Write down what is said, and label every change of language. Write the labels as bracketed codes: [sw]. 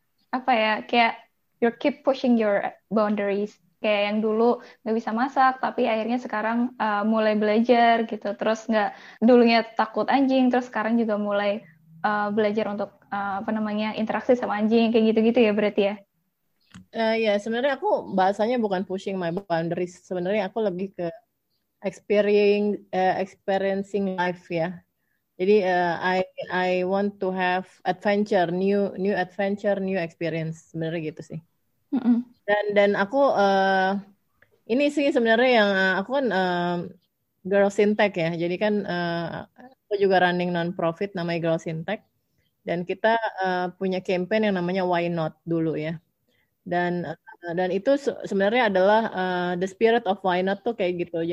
[id] Apa ya, kayak [en] you keep pushing your boundaries, [id] kayak yang dulu nggak bisa masak tapi akhirnya sekarang mulai belajar gitu, terus nggak, dulunya takut anjing terus sekarang juga mulai belajar untuk apa namanya, interaksi sama anjing, kayak gitu-gitu ya berarti ya. Ya, sebenarnya aku bahasanya bukan [en] pushing my boundaries. [id] Sebenarnya aku lebih ke [en] experiencing life [id] ya. [en] Jadi I want to have adventure, new adventure, new experience. [id] Sebenarnya gitu sih. Dan aku ini sih sebenarnya yang aku kan Girls in Tech ya. Jadi kan aku juga running non-profit namanya Girls in Tech. Dan kita punya campaign yang namanya Why Not dulu ya. Dan itu sebenarnya adalah [en] the spirit of why not [id] tuh kayak gitu.